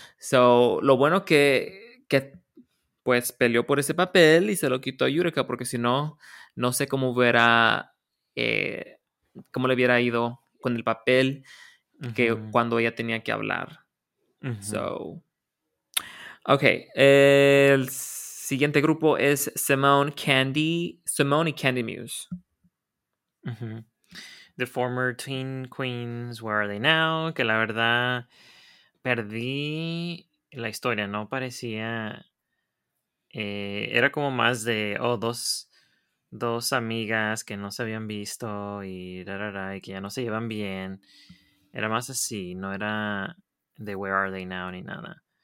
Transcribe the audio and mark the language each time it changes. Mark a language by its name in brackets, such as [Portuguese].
[Spanish] So, lo bueno que pues peleó por ese papel y se lo quitó a Yurika, porque si no, no sé cómo hubiera cómo le hubiera ido con el papel que uh-huh. cuando ella tenía que hablar. Uh-huh. So, okay, el siguiente grupo es Simone, Candy, Simone y Candy Muse. Uh-huh. [English] The former teen queens, where are they now? [Spanish] Que la verdad perdí la historia, no parecía. Era como más de dos amigas que no se habían visto y que ya no se llevan bien. Era más así, no era de [English] where are they now [Spanish] ni nada.